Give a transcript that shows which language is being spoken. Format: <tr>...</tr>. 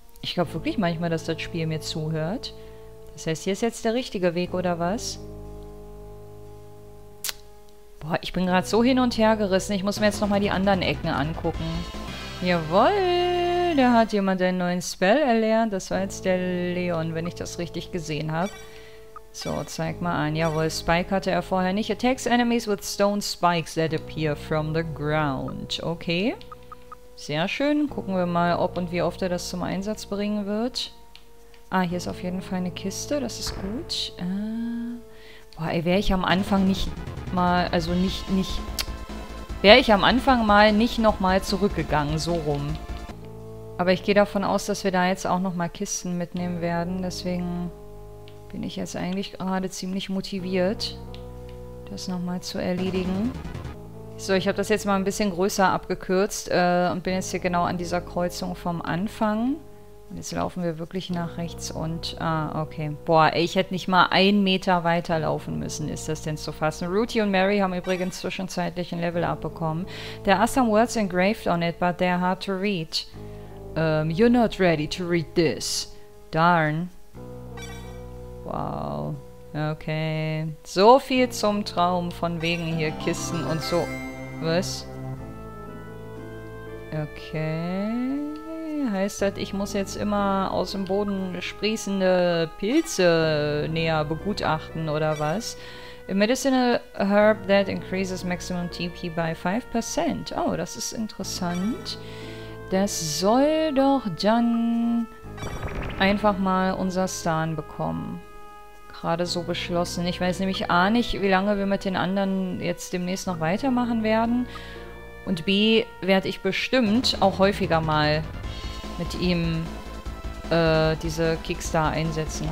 <de>Ich glaube wirklich manchmal, dass das Spiel mir zuhört. Das heißt, hier ist jetzt der richtige Weg, oder was? Boah, ich bin gerade so hin und her gerissen. Ich muss mir jetzt nochmal die anderen Ecken angucken. Jawohl, da hat jemand einen neuen Spell erlernt. Das war jetzt der Leon, wenn ich das richtig gesehen habe. So, zeig mal an. Jawohl, Spike hatte er vorher nicht.</de> <en>Attacks enemies with stone spikes that appear from the ground.</en> <de>Okay. Sehr schön. Gucken wir mal, ob und wie oft er das zum Einsatz bringen wird. Ah, hier ist auf jeden Fall eine Kiste. Das ist gut. Boah, ey, wäre ich am Anfang nicht mal... Also nicht... Wäre ich am Anfang mal nicht nochmal zurückgegangen. So rum. Aber ich gehe davon aus, dass wir da jetzt auch nochmal Kisten mitnehmen werden. Deswegen... bin ich jetzt eigentlich gerade ziemlich motiviert, das nochmal zu erledigen. So, ich habe das jetzt mal ein bisschen größer abgekürzt und bin jetzt hier genau an dieser Kreuzung vom Anfang. Und jetzt laufen wir wirklich nach rechts und... Ah, okay. Boah, ich hätte nicht mal einen Meter weiter laufen müssen, ist das denn zu fassen? Rootie und Mary haben übrigens zwischenzeitlich ein Level abbekommen.</de> <en>There are some words engraved on it, but they're hard to read. You're not ready to read this. Darn. Wow. Okay.</en> <de>So viel zum Traum von wegen hier Kissen und so. Was? Okay. Heißt das, ich muss jetzt immer aus dem Boden sprießende Pilze näher begutachten oder was?</de> <en>A medicinal herb that increases maximum TP by 5%.</en> <de>Oh, das ist interessant. Das soll doch dann einfach mal unser Stan bekommen. Gerade so beschlossen. Ich weiß nämlich A, nicht, wie lange wir mit den anderen jetzt demnächst noch weitermachen werden. Und B, werde ich bestimmt auch häufiger mal mit ihm diese Kickstar einsetzen.</de>